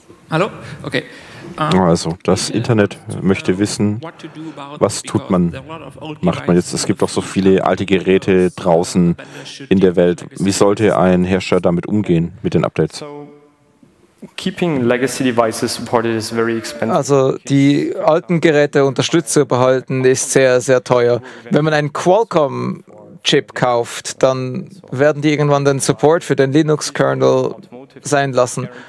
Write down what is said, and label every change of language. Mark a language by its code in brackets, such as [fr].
[de] Hallo? Okay. Also, das Internet möchte wissen, was tut man? Macht man jetzt? Es gibt doch so viele alte Geräte draußen in der Welt. Wie sollte ein Hersteller damit umgehen, mit den Updates? [en] Keeping legacy devices supported is very expensive. [de] Also, die alten Geräte unterstützt zu behalten, ist sehr, sehr teuer. Wenn man einen Qualcomm-Chip kauft, dann werden die irgendwann den Support für den Linux-Kernel sein lassen.